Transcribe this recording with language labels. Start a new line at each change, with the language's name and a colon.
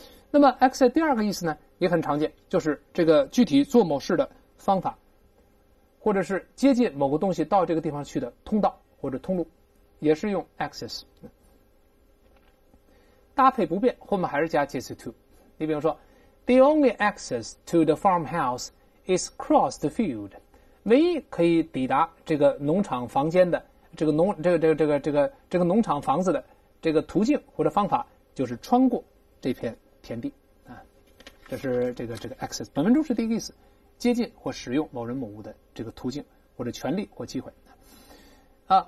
Chinese: 那么 access 第二个意思呢，也很常见，就是这个具体做某事的方法，或者是接近某个东西到这个地方去的通道或者通路，也是用 access。搭配不变，后面还是加介词 to。你比如说
English: The only access to the farmhouse is across the field.
Chinese: 唯一可以抵达这个农场房间的这个农场房子的这个途径或者方法，就是穿过这片田地啊。这是这个 access， 本文中是第一个意思，接近或使用某人某物的这个途径或者权利或机会啊。